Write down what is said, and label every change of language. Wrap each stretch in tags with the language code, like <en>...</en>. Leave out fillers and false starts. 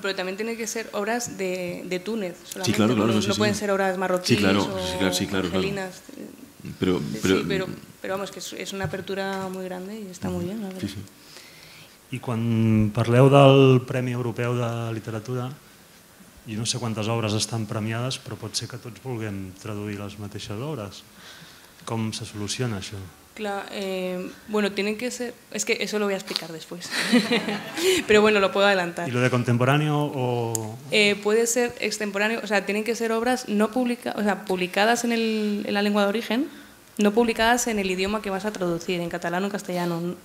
<es>pero también tienen que ser obras de Túnez. Solamente. Sí, claro, claro. No pueden ser obras marroquíes, sí, claro, o sí, claro, sí, claro, angelinas. Claro. Pero vamos, que es una apertura muy grande y está muy bien, la verdad. Sí, sí.</es> <ca>I quan parleu del Premi Europeu de Literatura, jo no sé quantes obres estan premiades, però pot ser que tots vulguem traduir les mateixes obres. Com se soluciona això?</ca> <es>Claro, bueno, tienen que ser... Es que eso lo voy a explicar después. Pero bueno, lo puedo adelantar. ¿Y lo de contemporáneo o...? Puede ser extemporáneo. O sea, tienen que ser obras no publicadas en la lengua de origen, no publicadas en el idioma que vas a traducir, en catalán o en castellano.</es>